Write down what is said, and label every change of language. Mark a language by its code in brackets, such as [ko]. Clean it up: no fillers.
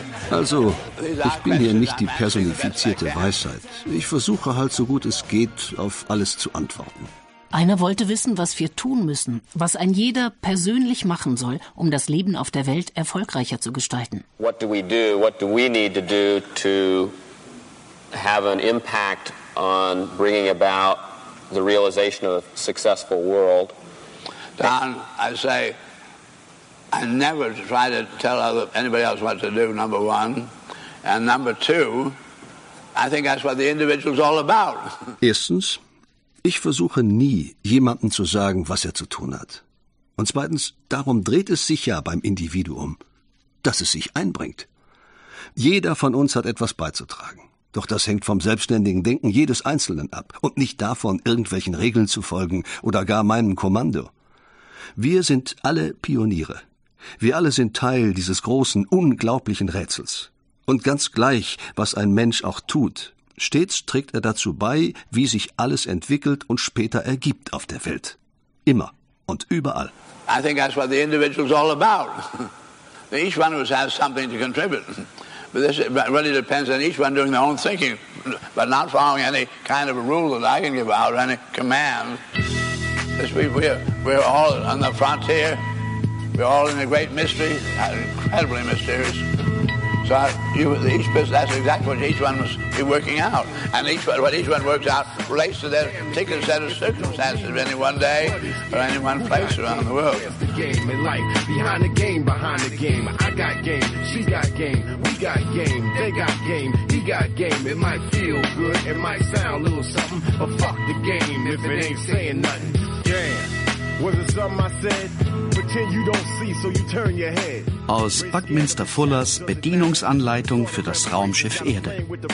[de] Also, ich bin hier nicht die personifizierte Weisheit. Ich versuche halt so gut es geht, auf alles zu antworten. Einer wollte wissen, was wir tun müssen, was ein jeder persönlich machen soll, um das Leben auf der Welt erfolgreicher zu gestalten. [en] What do we do? What do we need to do to have an impact on bringing about the realization of a successful world? Don, I say, I never try to tell anybody else what to do, number one. And number two, I think that's what the individual's all about. [de] Erstens, ich versuche nie, jemandem zu sagen, was er zu tun hat. Und zweitens, darum dreht es sich ja beim Individuum, dass es sich einbringt. Jeder von uns hat etwas beizutragen. Doch das hängt vom selbstständigen Denken jedes Einzelnen ab und nicht davon, irgendwelchen Regeln zu folgen oder gar meinem Kommando. Wir sind alle Pioniere. Wir alle sind Teil dieses großen, unglaublichen Rätsels. Und ganz gleich, was ein Mensch auch tut, stets trägt er dazu bei, wie sich alles entwickelt und später ergibt auf der Welt. Immer und überall. [en] I think that's what the individual's all about. Each one of us has something to contribute. But this really depends on each one doing their own thinking, but not following any kind of a rule that I can give out, any command. We're all on the frontier. We're all in a great mystery, incredibly mysterious. So that's exactly what each one must be working out. And what each one works out relates to their particular set of circumstances of any one day or any one place around the world. Game in life, behind the game. I got game, she got game, we got game, they got game, he got game. It might feel good, it might sound a little something, but fuck the game if it ain't saying nothing. Damn, was it something I said? [de] Aus Buckminster Fullers Bedienungsanleitung für das Raumschiff Erde.